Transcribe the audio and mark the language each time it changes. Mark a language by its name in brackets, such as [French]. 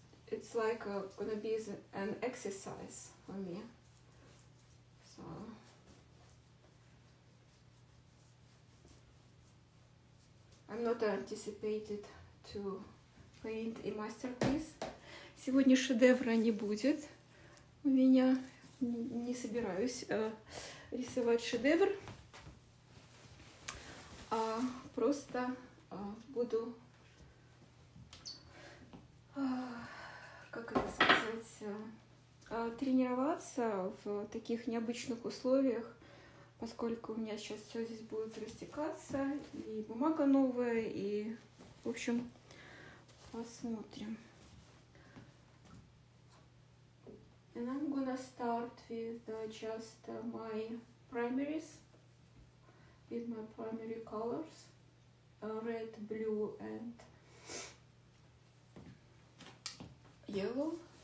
[English] It's like gonna be an exercise for me. So I'm not anticipated to paint a masterpiece. [Russian] Сегодня шедевра не будет. У меня не собираюсь рисовать шедевр. А просто буду. Как это сказать, тренироваться в таких необычных условиях, поскольку у меня сейчас все здесь будет растекаться, и бумага новая, и, в общем, посмотрим. [English] And I'm gonna start with just my primaries, with my primary colors, red, blue, and yellow.